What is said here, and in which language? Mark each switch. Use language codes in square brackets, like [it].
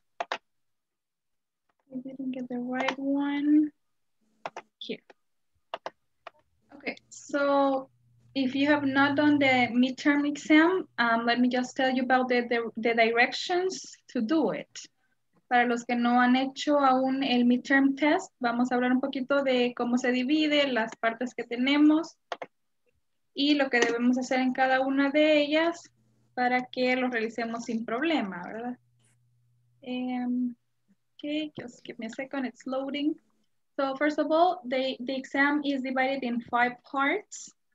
[en] I didn't get the right one. Here. Okay, so if you have not done the midterm exam, let me just tell you about the directions to do it. [es] Para los que no han hecho aún el midterm test, vamos a hablar un poquito de cómo se divide, las partes que tenemos y lo que debemos hacer en cada una de ellas para que lo realicemos sin problema, ¿verdad? [en] Okay, just give me a second, it's loading. So first of all, the exam is divided in 5 parts.